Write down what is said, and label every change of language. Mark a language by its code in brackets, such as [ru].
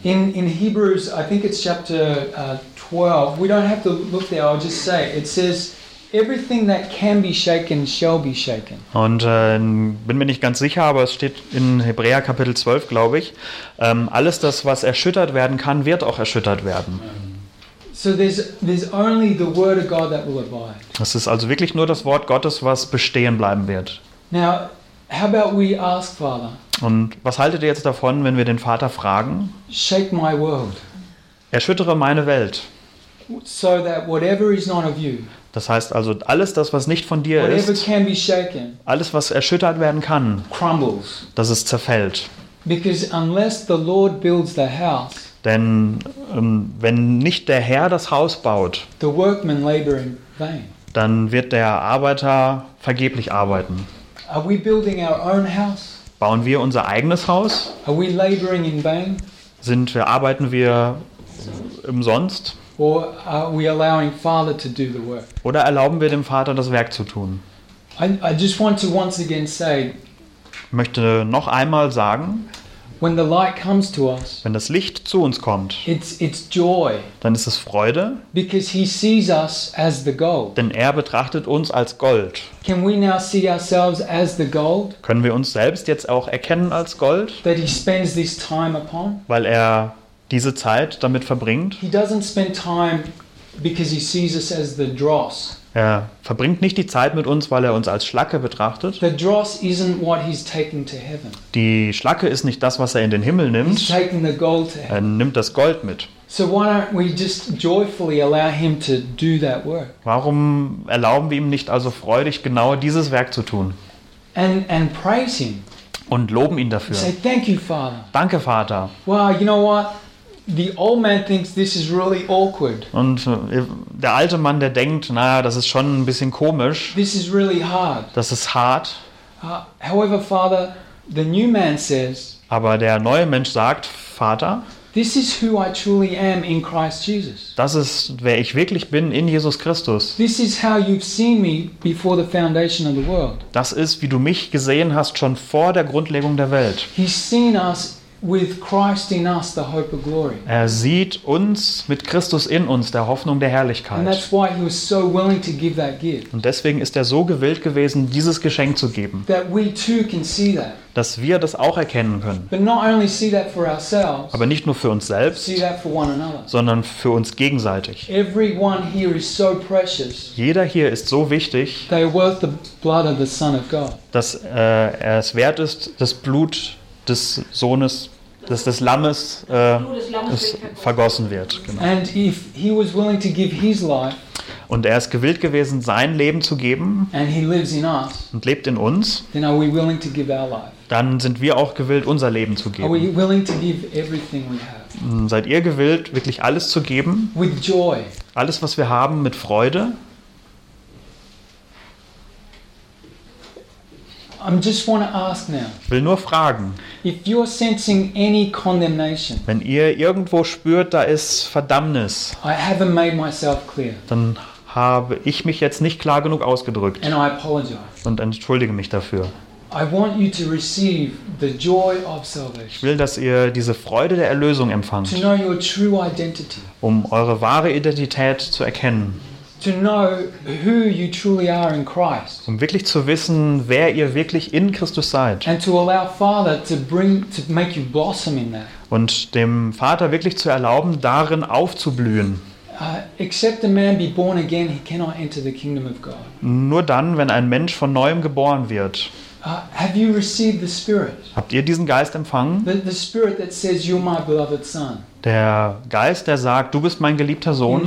[en] In Hebrews, I think it's chapter 12. We don't have to look there. I'll just say it says everything that can be shaken shall be shaken. [de] Und bin mir nicht ganz sicher, aber es steht in Hebräer Kapitel 12, glaube ich. Alles das, was erschüttert werden kann, wird auch erschüttert werden. [en] So there's only the word of God that will abide. [de] Das ist also wirklich nur das Wort Gottes, was bestehen bleiben wird. [en] Now, how about we ask Father? [de] Und was haltet ihr jetzt davon, wenn wir den Vater fragen? [en] Shake my world. [de] Erschüttere meine Welt. [en] So that whatever is not of you. [de] Das heißt also, alles das, was nicht von dir [en] whatever [de] ist, [en] can be shaken, [de] alles was erschüttert werden kann, [en] crumbles. [de] Dass es zerfällt. [en] Because unless the Lord builds the house, [de] denn wenn nicht der Herr das Haus baut, [en] the workmen labor in vain. [de] Dann wird der Arbeiter vergeblich arbeiten. [en] Are we building our own house? [de] Bauen wir unser eigenes Haus? [en] Are we laboring in vain? [de] Arbeiten wir umsonst? [en] Or are we allowing Father to do the work? [de] Oder erlauben wir dem Vater das Werk zu tun? [en] I just want to once again say, [de] möchte noch einmal sagen, [en] when the light comes to us, [de] wenn das Licht zu uns kommt, [en] it's joy, [de] dann ist es Freude, [en] because he sees us as the gold. [de] Denn er betrachtet uns als Gold. [en] Can we now see ourselves as the gold? [de] Können wir uns selbst jetzt auch erkennen als Gold? [en] That he spends this time upon? [de] Weil er diese Zeit damit verbringt. [en] He doesn't spend time because he sees us as the dross. [de] Er verbringt nicht die Zeit mit uns, weil er uns als Schlacke betrachtet. [en] The dross isn't what he's taken to heaven. [de] Die Schlacke ist nicht das, was er in den Himmel nimmt. [en] He's taken the gold to heaven. [de] Er nimmt das Gold mit. [en] So why don't we just joyfully allow him to do that work? [de] Warum erlauben wir ihm nicht also freudig genau dieses Werk zu tun? [en] And praise him. [de] Und loben ihn dafür. [en] Say, thank you, Father. [de] Danke, Vater. [en] Wow, you know what? The old man thinks this is really awkward. [de] Und der alte Mann, der denkt, das ist schon ein bisschen komisch. [en] This is really hard. [de] Das ist hart. [en] However, Father, the new man says. [de] Aber der neue Mensch sagt, Vater. [en] This is who I truly am in Christ Jesus. [de] Das ist wer ich wirklich bin in Jesus Christus. [en] This is how you've seen me before the foundation of the world. [de] Das ist wie du mich gesehen hast schon vor der Grundlegung der Welt. [en] He's seen us with Christ in us, the hope of glory. [de] Er sieht uns mit Christus in uns, der Hoffnung der Herrlichkeit. [en] And that's why he was so willing to give that gift. [de] Und deswegen ist er so gewillt gewesen, dieses Geschenk zu geben. [en] That we too can see that. [de] Dass wir das auch erkennen können. [en] But not only see that for ourselves, [de] aber nicht nur für uns selbst, [en] see that for one another, [de] sondern für uns gegenseitig. [en] Everyone here is so precious, [de] jeder hier ist so wichtig, [en] they are worth the blood of the Son of God. [de] Dass er es wert ist, das Blut des Sohnes, des Lammes, vergossen wird. Genau. [en] And if he was willing to give his life, [de] und er ist gewillt gewesen, sein Leben zu geben, [en] and he lives in us, [de] und lebt in uns, [en] then are we willing to give our life? [de] Dann sind wir auch gewillt, unser Leben zu geben. [en] Are we willing to give everything we have? [de] Seid ihr gewillt, wirklich alles zu geben? [en] With joy. [de] Alles, was wir haben, mit Freude? [en] I'm just want to ask now. [de] Ich will nur fragen. [en] If you're sensing any condemnation. [de] Wenn ihr irgendwo spürt, da ist Verdammnis. [en] I haven't made myself clear. [de] Dann habe ich mich jetzt nicht klar genug ausgedrückt. [en] And I apologize. [de] Und entschuldige mich dafür. [en] I want you to receive the joy of salvation. [de] Ich will, dass ihr diese Freude der Erlösung empfangt. [en] To know your true identity. [de] Um eure wahre Identität zu erkennen. [en] To know who you truly are in Christ. [de] Um wirklich zu wissen, wer ihr wirklich in Christus seid. [en] And to allow Father to make you blossom in that. [de] Und dem Vater wirklich zu erlauben, darin aufzublühen. [en] except a man be born again, he cannot enter the kingdom of God. [de] Nur dann, wenn ein Mensch von neuem geboren wird. [en] Have you received the Spirit? [de] Habt ihr diesen Geist empfangen? [en] The Spirit that says, "You're my beloved son." [de] Der Geist, der sagt, du bist mein geliebter Sohn,